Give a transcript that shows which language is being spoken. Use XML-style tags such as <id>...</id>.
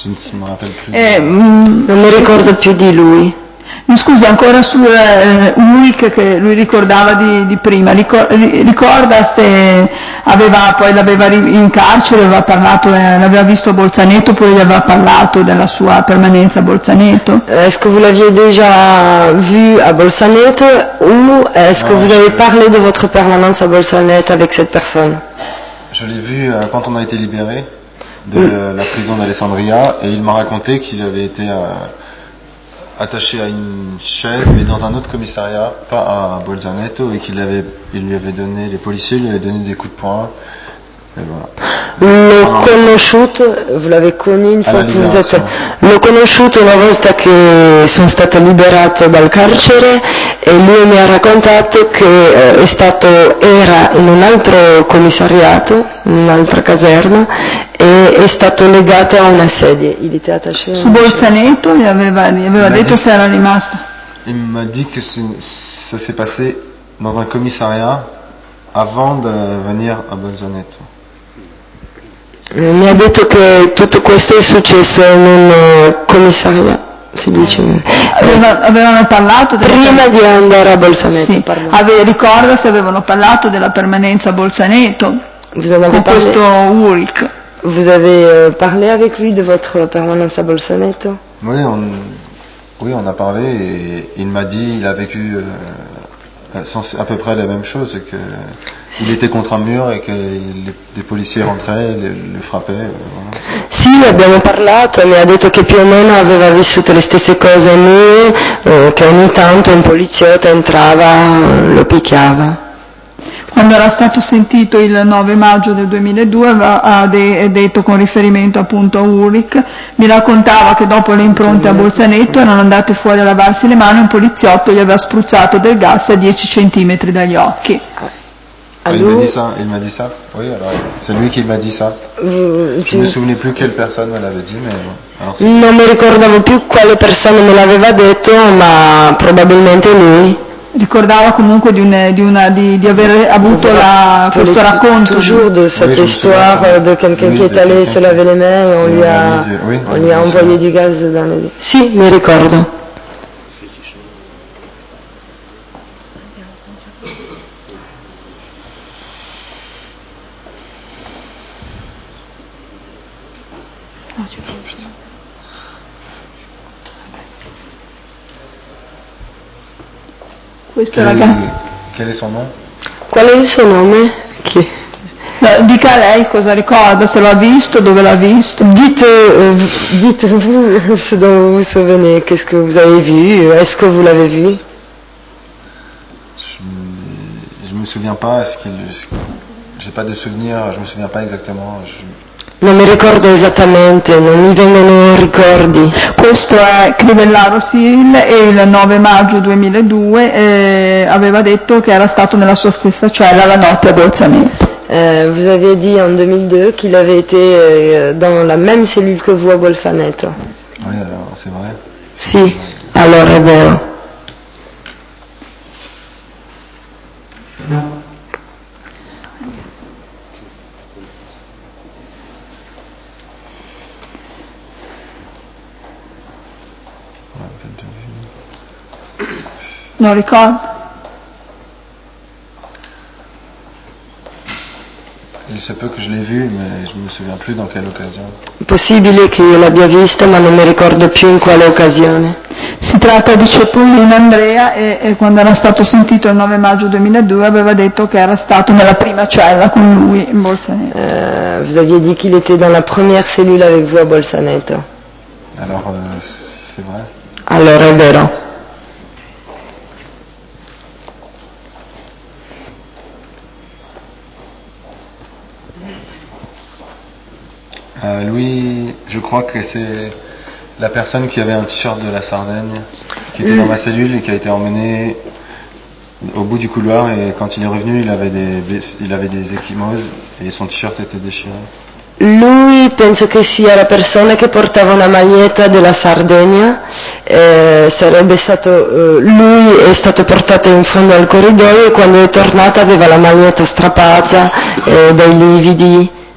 <it>Non mi ricordo più di lui. Scusi, ancora su Ulrich che lui ricordava di prima, ricorda se aveva poi l'aveva in carcere, aveva parlato, l'aveva visto a Bolzaneto, poi gli aveva parlato della sua permanenza a Bolzaneto.</it> <fr>Est-ce que vous l'aviez déjà vu a Bolzaneto ou est-ce que vous avez parlé de votre permanence à Bolzaneto avec cette personne? Je l'ai vu quand on a été libéré de la prison d'Alessandria et il m'a raconté qu'il avait été attaché à une chaise, mais dans un autre commissariat, pas à Bolzaneto, et qu'il avait, il lui avait donné, les policiers lui avaient donné des coups de poing, et voilà.</fr> <it>Le conosciuto,</it> <fr>vous l'avez connu une fois que vous êtes</fr> <it>L'ho conosciuto una volta che sono stato liberato dal carcere e lui mi ha raccontato che era in un altro commissariato, in un'altra caserma, e è stato legato a una sedia. Su Bolzaneto gli aveva detto se era rimasto.</it> <fr>Il m'ha detto che ça s'est passé dans un commissariat avant de venir à Bolzaneto.</fr> <it>Mi ha detto che tutto questo è successo in un commissario, si dice. Avevano parlato prima di andare a Bolzaneto. Sì. Ricorda se avevano parlato della permanenza a Bolzaneto con questo Ulrich.</it> <fr>Vous avez parlé avec lui de votre permanence à Bolzaneto? Oui, on a parlé et il m'a dit il a vécu à peu près la même chose, que il était contre un mur et que les policiers rentraient, le frappaient.</fr> <it>Sì, abbiamo parlato, mi ha detto che più o meno aveva vissuto le stesse cose a me, che ogni tanto un poliziotto entrava, lo picchiava. Quando era stato sentito il 9 maggio del 2002, ha detto con riferimento appunto a Ulrich, mi raccontava che dopo le impronte a Bolzaneto erano andate fuori a lavarsi le mani, un poliziotto gli aveva spruzzato del gas a 10 centimetri dagli occhi.</it> <fr>Il m'a dit ça? Oui, alors c'est lui qui m'a dit ça. Je ne me souvenais plus quelle personne me l'avait dit, mais.</fr> <it>Non mi ricordavo più quale persona me l'aveva detto, ma probabilmente lui. Ricordava comunque di aver avuto questo racconto.</it> <fr>Toujours de cette histoire de quelqu'un qui est allé se laver les mains, on lui a envoyé du gaz dans les.</fr> <it>Sì, mi ricordo. Questo ragazzo. Qual è il suo nome? Chi? Dica lei cosa ricorda, se l'ha visto, dove l'ha visto. Dite voi se non vi</it> <fr>souvenez, qu'est-ce que vous avez vu, est-ce que vous l'avez vu? Je me souviens pas, j'ai pas de souvenir, je me souviens pas exactement.</fr> <it>Non mi ricordo esattamente, non mi vengono ricordi. Questo è Crivellaro Cyril e il 9 maggio 2002 aveva detto che era stato nella sua stessa cella la notte a Bolzaneto.</it> <fr>Vous avez dit en 2002 qu'il avait été dans la même cellule que vous à Bolzaneto. Oui, alors c'est vrai.</fr> <it>Sì, allora è vero. Non ricordo.</it> <fr>Il se peut que je l'ai vu, mais je me souviens plus dans quelle occasion.</fr> <it>Possibile che io l'abbia vista, ma non mi ricordo più in quale occasione. Si tratta di Cepullin Andrea e quando era stato sentito il 9 maggio 2002 aveva detto che era stato nella prima cella con lui in Bolzaneto.</it> <fr>Vous aviez dit qu'il était dans la première cellule avec vous à Bolzaneto. Alors c'est vrai.</fr> <it>Allora è vero.</it> <fr>Lui, je crois que c'est la personne qui avait un t-shirt de la Sardaigne, qui était dans ma cellule et qui a été emmenée au bout du couloir. Et quand il est revenu, il avait des ecchymoses et son t-shirt était déchiré.</fr> <it>Lui, penso che sia la persona che portava una maglietta della Sardegna. Sarebbe stato lui è stato portato in fondo al corridoio e quando è tornata aveva la maglietta strappata dai lividi.</it>